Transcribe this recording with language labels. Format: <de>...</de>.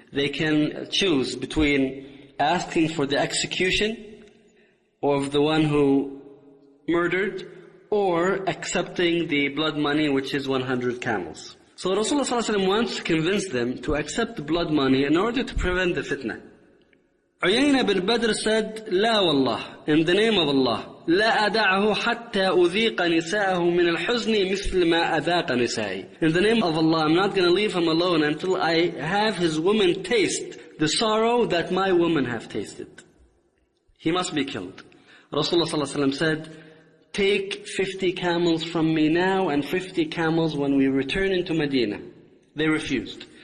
<en>They can choose between asking for the execution of the one who murdered or accepting the blood money, which is 100 camels. So Rasulullah ﷺ wants to convince them to accept the blood money in order to prevent the fitna. Uyayna bin Badr said,</en> <ar>لا والله,</ar> <en>in the name of Allah,</en> <ar>لا أدعه حتى أذيق نساءه من الحزن مثل ما أذاق نسائي.</ar> <en>In the name of Allah, I'm not going to leave him alone until I have his woman taste the sorrow that my woman have tasted. He must be killed. Rasulullah ﷺ said, take 50 camels from me now and 50 camels when we return into Medina. They refused.</en>